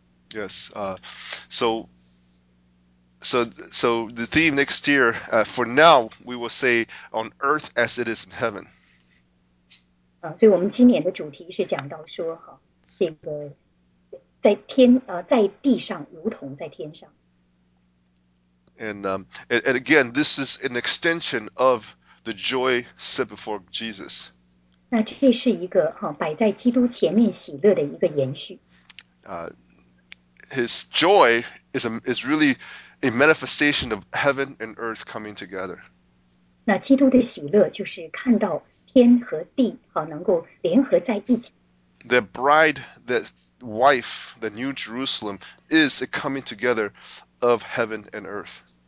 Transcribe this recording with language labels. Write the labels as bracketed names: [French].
[English] Yes, so So the theme next year, for now, we will say on earth as it is in heaven. [Chinese] 所以我们今年的主题是讲到说，这个在天，在地上，如同在天上。 [English] And again, this is an extension of the joy set before Jesus. [Chinese] 那这是一个摆在基督前面喜乐的一个延续。 [English] His joy is really a manifestation of heaven and earth coming together. [Chinese] 那基督的喜乐就是看到天和地能够联合在一起。 [English] The bride, the wife, the new Jerusalem is a coming together of heaven and earth.